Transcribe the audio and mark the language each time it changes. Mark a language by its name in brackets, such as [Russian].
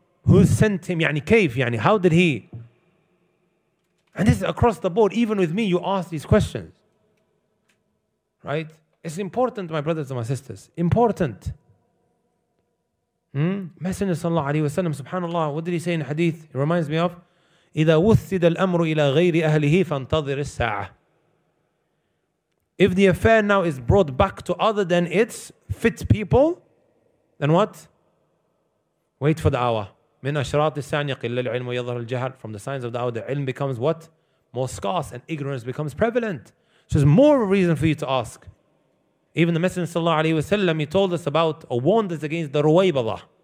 [English] Who sent him? [Arabic] يعني كيف? يعني [English] how did he? And this is across the board. Even with me, you ask these questions. Right? It's important, my brothers and my sisters. Important. Messenger sallallahu alayhi wa sallam, subhanAllah, what did he say in the hadith? It reminds me of, [Arabic] إِذَا وُثِّدَ الْأَمْرُ إِلَى غَيْرِ أَهْلِهِ فَانْتَظِرِ السَّاعَةِ. [English] If the affair now is brought back to other than its fit people, then what? Wait for the hour. [Arabic] مِنْ أَشْرَاطِ السَّاعَةِ يَقِلَّ الْعِلْمُ وَيَظْهَرُ الْجَهَلُ. [English] From the signs of the hour, the ilm becomes what? More scarce and ignorance becomes prevalent. So there's more reason for you to ask. Even the Messenger sallallahu alayhi wa sallam, he told us about or warned us against the Ruwaybada.